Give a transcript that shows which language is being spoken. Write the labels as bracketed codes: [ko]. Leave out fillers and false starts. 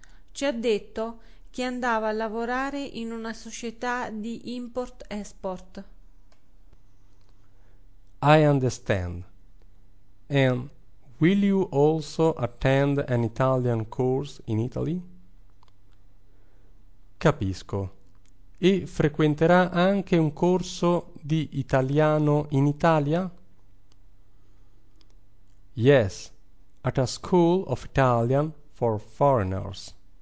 [it] Ci ha detto che andava a lavorare in una società di import-export. [en] I understand. And will you also attend an Italian course in Italy? [it] Capisco. E frequenterà anche un corso di italiano in Italia? [en] Yes, at a school of Italian for foreigners.